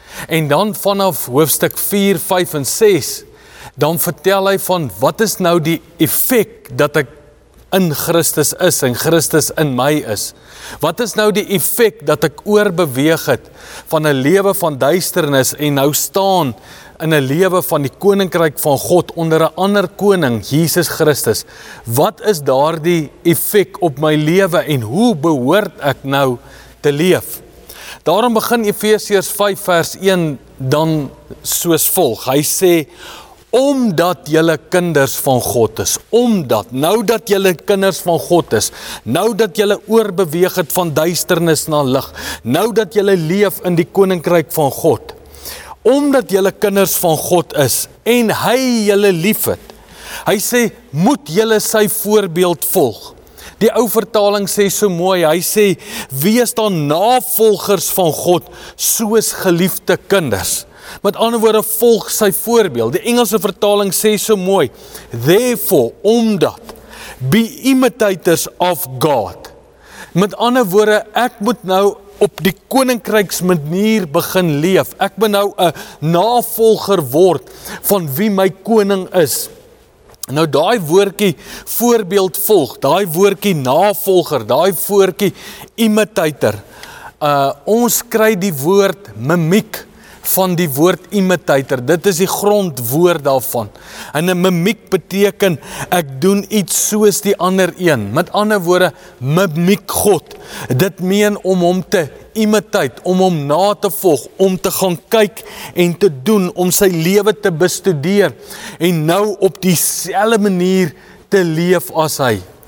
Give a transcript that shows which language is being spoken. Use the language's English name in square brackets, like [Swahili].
[Afrikaans] En dan vanaf hoofstuk 4, 5 en 6, dan vertel hy van wat is nou die effek dat ek in Christus is en Christus in my is. Wat is nou die effek dat ek oorbeweeg het van 'n lewe van duisternis en nou staan in 'n lewe van die koninkryk van God onder 'n ander koning, Jesus Christus. Wat is daardie effek op my lewe en hoe behoort ek nou te leef? Daarom begin Efesiërs 5 vers 1 dan soos volg. Hy sê, omdat julle kinders van God is, omdat, nou dat julle kinders van God is, nou dat julle oorbeweeg het van duisternis na lig, nou dat julle leef in die koninkryk van God, omdat julle kinders van God is en hy julle lief het, hy sê, moet julle sy voorbeeld volg. Die ou vertaling sê so mooi, hy sê, wees dan navolgers van God soos geliefde kinders. Met ander woorde, volg sy voorbeeld. Die Engelse vertaling sê so mooi, [English] therefore, [Afrikaans] omdat, [English] be imitators of God. [Afrikaans] Met ander woorde, ek moet nou op die koninkryks manier begin leef. Ek moet nou 'n navolger word van wie my koning is. Nou daai woordjie voorbeeld volg, daai woordjie navolger, daai woordjie imitator. Ons kry die woord mimiek van die woord imitator. Dit is die grondwoord daarvan. En 'n mimiek beteken ek doen iets soos die ander een. Met ander woorde, mimiek God. Dit meen om hom te imiteer, om hom na te volg, om te gaan kyk en te doen, om sy lewe te bestudeer en nou op dieselfde manier te leef as hy.